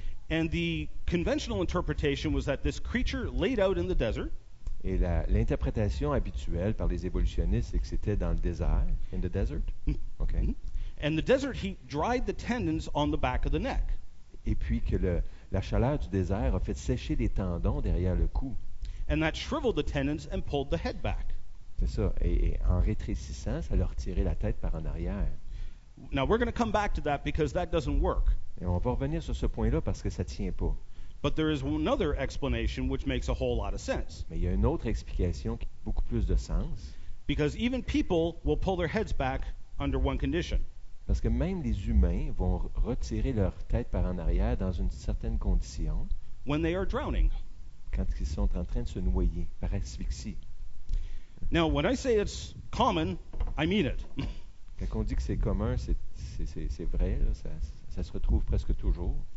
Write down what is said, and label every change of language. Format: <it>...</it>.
<en>And the conventional interpretation was that this creature laid out in the desert.</en> <fr>Et l'interprétation habituelle par les évolutionnistes, c'est que c'était dans le désert.</fr> <en>In the desert? Okay. And the desert heat dried the tendons on the back of the neck.</en> <fr>Et puis que La chaleur du désert a fait sécher les tendons derrière le cou.</fr> <en>And that shriveled the tendons and pulled the head back.</en> <fr>C'est ça. Et en rétrécissant, ça leur tirait la tête par en arrière.</fr> <en>Now we're going to come back to that because that doesn't work.</en> <fr>Et on va revenir sur ce point-là parce que ça tient pas.</fr> <en>But there is another explanation which makes a whole lot of sense.</en> <fr>Mais il y a une autre explication qui a beaucoup plus de sens.</fr> <en>Because even people will pull their heads back under one condition.</en> <fr>Parce que même les humains vont retirer leur tête par en arrière dans une certaine condition.</fr> <en>When they are drowning.</en> <fr>Quand ils sont en train de se noyer par asphyxie.</fr> <en>Now, when I say it's common, I mean it.</en> <fr>Quand on dit que c'est commun, c'est vrai, là, ça se retrouve presque toujours.</fr>